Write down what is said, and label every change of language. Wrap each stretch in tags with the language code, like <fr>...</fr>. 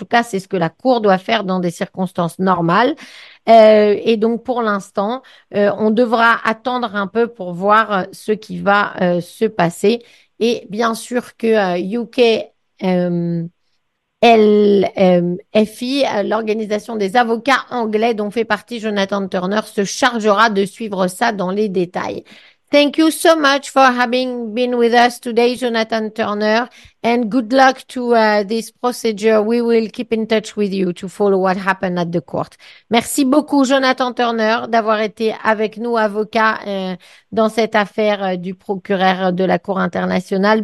<fr>En tout cas, c'est ce que la Cour doit faire dans des circonstances normales. Et donc, pour l'instant, on devra attendre un peu pour voir ce qui va se passer. Et bien sûr que UK LFI, l'organisation des avocats anglais dont fait partie Jonathan Turner, se chargera de suivre ça dans les détails.</fr> <en>Thank you so much for having been with us today, Jonathan Turner, and good luck to this procedure. We will keep in touch with you to follow what happened at the court.</en> <fr>Merci beaucoup, Jonathan Turner, d'avoir été avec nous, avocat, dans cette affaire du procureur de la Cour internationale.</fr>